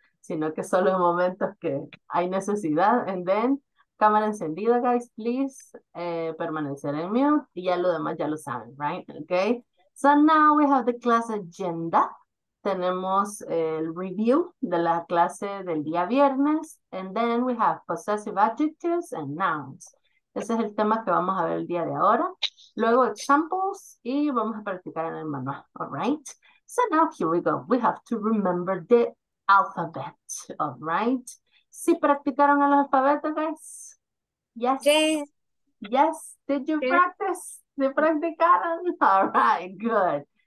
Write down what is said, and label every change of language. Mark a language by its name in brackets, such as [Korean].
[Spanish] Sino que solo en momentos que hay necesidad. [English] And then, [Spanish] cámara encendida, guys, please, permanecer en mute, y ya lo demás ya lo saben, right? Okay. [English] So now we have the class agenda. [Spanish] Tenemos el review de la clase del día viernes. [English] And then we have possessive adjectives and nouns. [Spanish] Ese es el tema que vamos a ver el día de ahora. Luego, examples. Y vamos a practicar en el manual. [English] All right. So now, here we go. We have to remember the alphabet. All right. [Spanish] ¿Sí practicaron el alfabeto, guys? [English] Jay. Yes. Yes. Did you practice? [Spanish] ¿Sí practicaron? [English] All right. Good.